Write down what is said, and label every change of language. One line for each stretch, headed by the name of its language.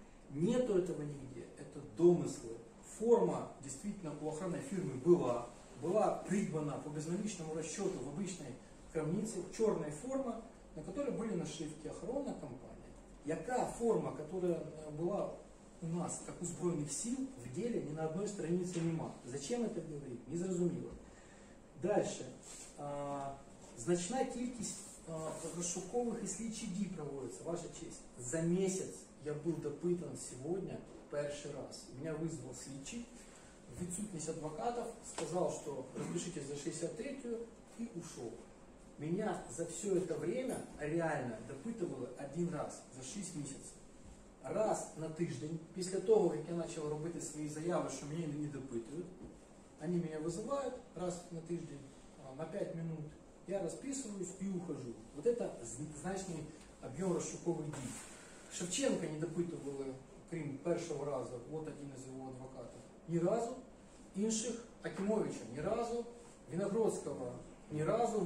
Russian: Нету этого нигде. Это домыслы. Форма действительно у охранной фирмы была придбана по безналичному расчету в обычной крамнице. Черная форма, на которой были нашивки охранной компании. Яка форма, которая была у нас, как у сбройных сил, в деле ни на одной странице нема. Зачем это говорить?
Ukrainian: Не зрозуміло.
Russian: Дальше.
Ukrainian: Значна кількість розшукових і слідчі дій проводиться, ваша честь,
Russian: за месяц. Я был допытан сегодня первый раз. Меня вызвал следчий в отсутствие адвокатов, сказал, что разрешите за 63-ю и ушел. Меня за все это время реально допытывало один раз за 6 месяцев. Раз на тиждень, после того, как я начал делать свои заявы, что меня не допытывают, они меня вызывают раз на тиждень, на 5 минут, я расписываюсь и ухожу. Вот это значный объем расшуковых дней.
Ukrainian: Шевченка не допитували, крім першого разу, от один із його адвокатів, ні разу. Інших, Акимовича, ні разу. Виноградського, ні разу.